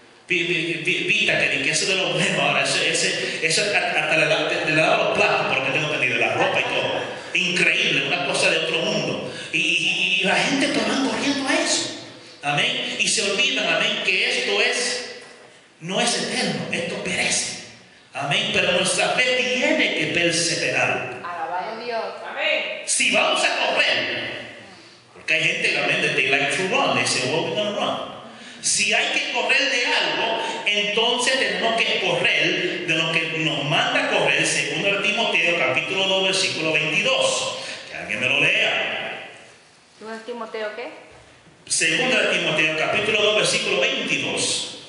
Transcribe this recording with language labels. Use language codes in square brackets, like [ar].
[es] Vita, que eso de los memes ahora, eso hasta le da los platos, porque tengo entendido, la ropa y todo. Increíble, una cosa de otro mundo. Y la gente está corriendo a eso. Amén. Y se olvidan, amén, que esto es, no es eterno, esto perece. Amén. Pero nuestra fe tiene que perseverar. Alabado Dios. Amén. Si vamos a correr, porque hay gente, amén, [en] they like to run, they say, well, we're going to run. [es] Si hay que correr de algo, entonces tenemos que correr de lo que nos manda correr, según el Timoteo, capítulo 2, versículo 22. Que alguien me lo lea. ¿Segundo Timoteo qué? Segundo Timoteo, capítulo 2, versículo 22.